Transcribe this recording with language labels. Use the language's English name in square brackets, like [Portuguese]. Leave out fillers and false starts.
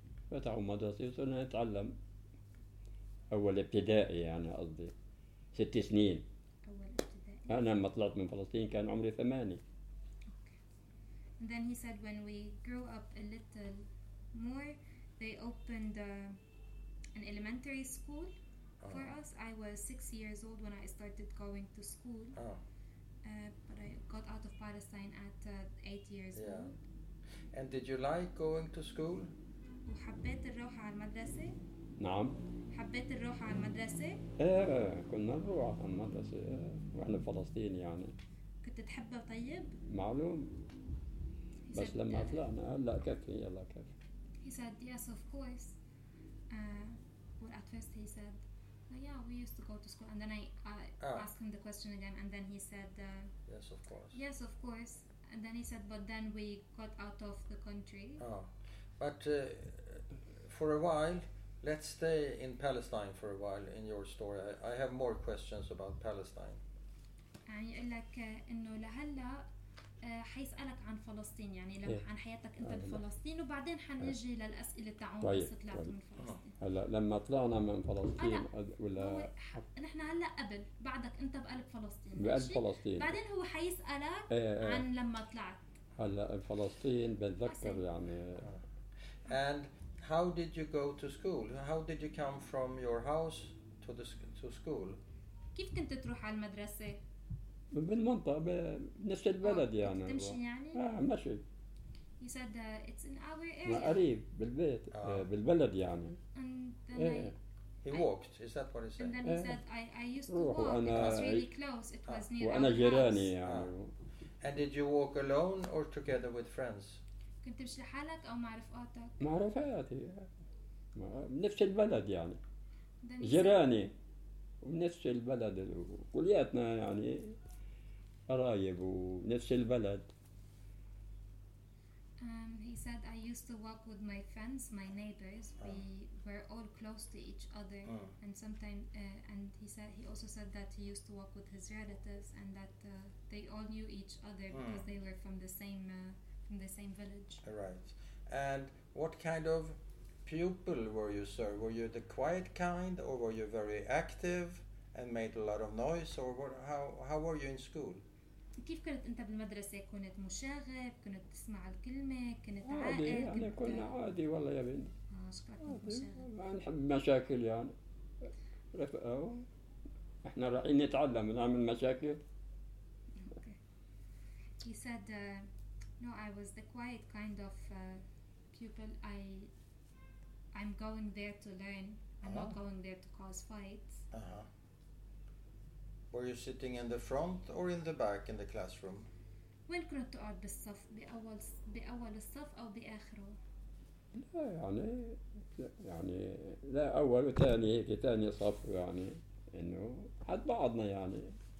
[Arabic] فتحوا مدرسة وصرنا نتعلم أول ابتدائي يعني قصدي 6 سنين أول ابتدائي أنا لما طلعت من فلسطين كان عمري 8 [English] okay. And then he said when we grew up a little more they opened an elementary school for us. I was 6 years old when I started going to school but I got out of Palestine at 8 years old. And did you like going to school? [Arabic] وحبيت الروح على المدرسة؟ نعم حبيت الروح على المدرسة؟ ايه كنا نروح على المدرسة واحنا فلسطين يعني كنت تحبه طيب؟ معلوم بس لما طلعنا لا كافي يلا كافي [English] He said yes of course well at first he said well, yeah we used to go to school and then I asked him the question again and then he said yes of course yes of course and then he said but then we got out of the country But for a while, let's stay in Palestine for a while in your story. I have more questions about Palestine. [Arabic] يعني يقول لك إنه لهلا حيسألك عن فلسطين يعني عن حياتك أنت بفلسطين وبعدين حنيجي للأسئلة تعون بس طلعت من فلسطين. هلا لما طلعنا من فلسطين ولا نحن هلا قبل بعدك أنت بقلب فلسطين. بقلب فلسطين. بعدين هو حيسألك عن لما طلعت. هلا فلسطين بتذكر يعني. [English] And how did you go to school? How did you come from your house to the to school? [Arabic] كيف كنت تروح على المدرسة؟ بالمنطقة بنفس البلد يعني. تمشي يعني؟ ماشي. [English] He said it's in our area. [Arabic] قريب بالبيت بالبلد يعني. [English] And then he walked. Is that what he said? And then he said I used to walk. It was really close. It was near our house. [Arabic] وأنا جيراني يعني. [English] And did you walk alone or together with friends? [Arabic] كنت تمشي لحالك أو مع رفقاتك؟ مع رفقاتي نفس البلد يعني جيراني ونفس البلد وكلياتنا يعني قرايب ونفس البلد [English] He said I used to walk with my friends, my neighbors. We were all close to each other and sometimes and he also said that he used to walk with his relatives and that they all knew each other because they were from the same In the same village. Right. And what kind of pupil were you, sir? Were you the quiet kind or were you very active and made a lot of noise or how were you in school? [Arabic] كيف كنت انت بالمدرسة؟ كنت مشاغب؟ كنت تسمع الكلمة؟ كنت عادي؟ يعني كنا عادي والله يا بنت. شكرا كنت مشاغب. ما نحب مشاكل يعني. رفقة احنا رايحين نتعلم نعمل مشاكل. [English] Okay. He said No, I was the quiet kind of pupil. I'm going there to learn. I'm not going there to cause fights. Were you sitting in the front or in the back in the classroom? [Arabic] وين كنت تقعد بالصف بأول الصف أو بآخره؟ لا يعني يعني لا أول وثاني هيك ثاني صف يعني إنه حد بعضنا يعني.